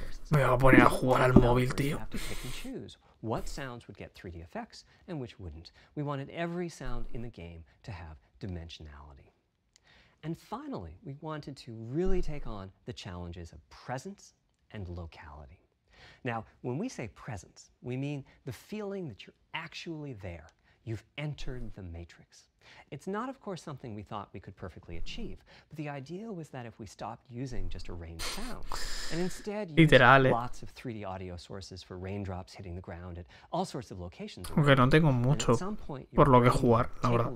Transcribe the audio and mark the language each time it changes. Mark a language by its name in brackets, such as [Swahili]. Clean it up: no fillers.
[Spanish] Me voy a poner a jugar al móvil, tío. [English] What sounds would get 3D effects and which wouldn't. We wanted every sound in the game to have dimensionality. And finally, we wanted to really take on the challenges of presence and locality. Now, when we say presence, we mean the feeling that you're actually there. You've entered the matrix. It's not, of course, something we thought we could perfectly achieve, but the idea was that if we stopped using just a rain sound, and instead used lots of 3D audio sources for raindrops hitting the ground at all sorts of locations, [Spanish] okay, no tengo mucho [English] at some point, [Spanish] por lo que jugar, la verdad.